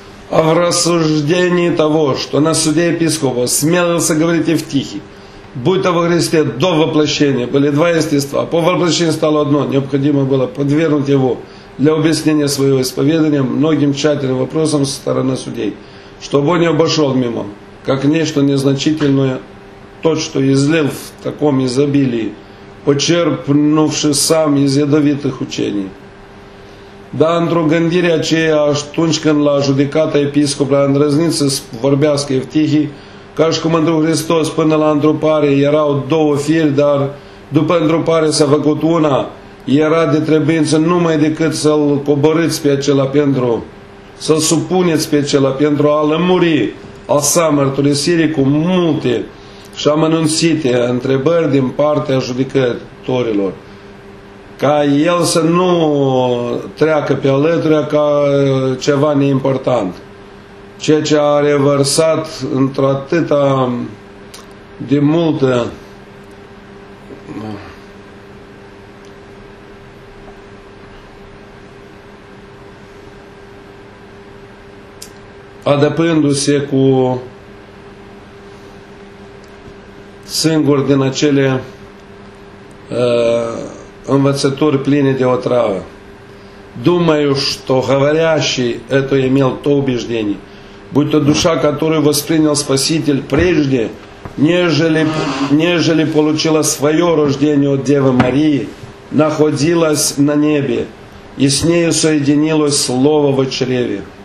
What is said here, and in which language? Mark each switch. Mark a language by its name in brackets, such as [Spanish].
[Russian] А в рассуждении того, что на суде епископа смелился говорить Евтихий, будь то во Христе до воплощения были два естества, по воплощению стало одно, необходимо было подвергнуть его для объяснения своего исповедания многим тщательным вопросам со стороны судей, чтобы он не обошел мимо, как нечто незначительное, тот, что излил в таком изобилии, почерпнувши сам из ядовитых учений. [Romanian] Dar într-o gândire aceea, atunci când l-a judecat episcopul, a îndrăznit să vorbească Evtihii, ca și cum într-un Hristos până la întrupare erau două firi, dar după întrupare s-a făcut una, era de trebuință numai decât să-l coborâți pe acela pentru, să-l supuneți pe acela pentru a lămuri a sa mărturisirii cu multe și amănunțite întrebări din partea judecătorilor, ca el să nu treacă pe alături ca ceva neimportant. Ceea ce a revărsat într-atâta de multă adăpându-se cu singuri din acele învățături pline de otravă. [Russian] Думаю, что говорящий это имел то убеждение, будто душа, которую воспринял Спаситель прежде, нежели получила свое рождение от Девы Марии, находилась на небе, и с нею соединилось слово во чреве.